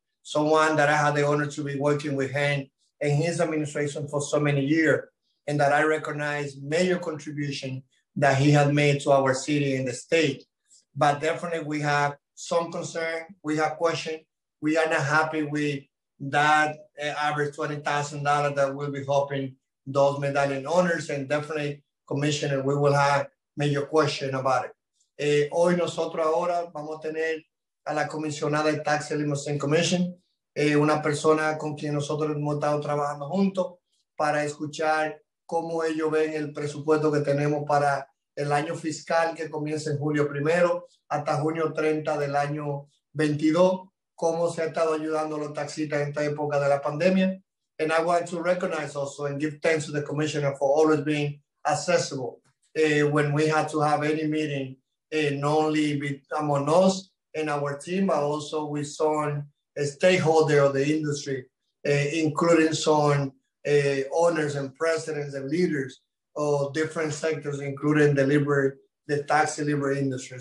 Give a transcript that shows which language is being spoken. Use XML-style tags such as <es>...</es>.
<en>Someone that I had the honor to be working with him and his administration for so many years, and that I recognize major contribution that he had made to our city and the state. But definitely we have some concern, we have questions. We are not happy with that average $20,000 that we'll be helping those medallion owners, and definitely, Commissioner, we will have major question about it.</en> <es>Hoy nosotros ahora vamos a tener a la comisionada de Tax and Limousine Commission, una persona con quien nosotros hemos estado trabajando juntos para escuchar cómo ellos ven el presupuesto que tenemos para el año fiscal que comienza en julio primero hasta junio 30 del año 22, cómo se ha estado ayudando a los taxistas en esta época de la pandemia.</es> <en>And I want to recognize also and give thanks to the commissioner for always being accessible when we had to have any meeting, not only among us and our team, but also with some stakeholders of the industry, including some owners and presidents and leaders of different sectors, including the taxi delivery industry.</en>